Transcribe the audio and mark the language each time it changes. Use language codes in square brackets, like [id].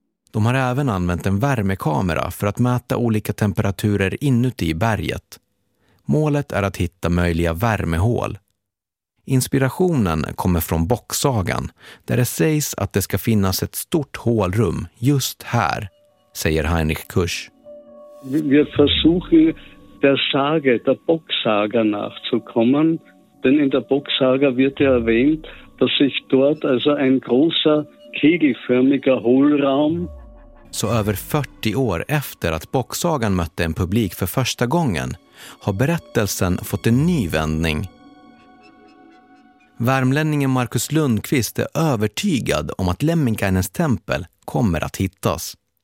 [sv] De har även använt en värmekamera för att mäta olika temperaturer inuti berget. Målet är att hitta möjliga värmehål. Inspirationen kommer från boksagan, där det sägs att det ska finnas ett stort hålrum just här, säger Heinrich Kusch. Vi försöker [de] der Sage, der Boksaga nachzukommen, denn in der Boksaga wird ja erwähnt, dass sich dort also ein großer kegelförmiger Hohlraum. [sv] Så över 40 år efter att boksagan mötte en publik för första gången har berättelsen fått en ny vändning. Värmlänningen Marcus Lundqvist är övertygad om att Lemminkäinens tempel kommer att hittas.